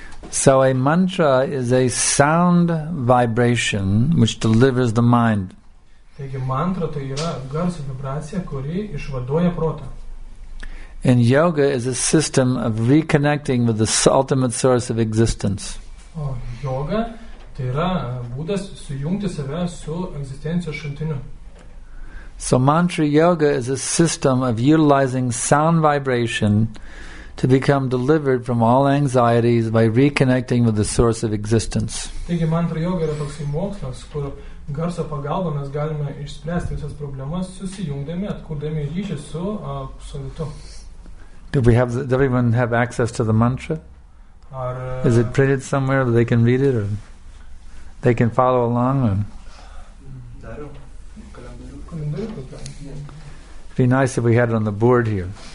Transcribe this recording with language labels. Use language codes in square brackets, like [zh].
[en] So a mantra is a sound vibration which delivers the mind. [lt] Taigi mantra tai yra garso vibracija, kuri išvaduoja protą. [en] And yoga is a system of reconnecting with the ultimate source of existence. [lt] O yoga tai yra būdas sujungti save su egzistencijos šaltiniu. [en] So mantra yoga is a system of utilizing sound vibration to become delivered from all anxieties by reconnecting with the source of existence. [lt] Taigi mantra yoga yra toks mokslas, kur garso pagalba mes galime išspręsti visas problemas susijungdami, atkurdami ryšį su absoliutu. [en] Do everyone have access to the mantra? [lt] Ar, [en] is it printed somewhere that they can read it or they can follow along? Or? It'd be nice if we had it on the board here.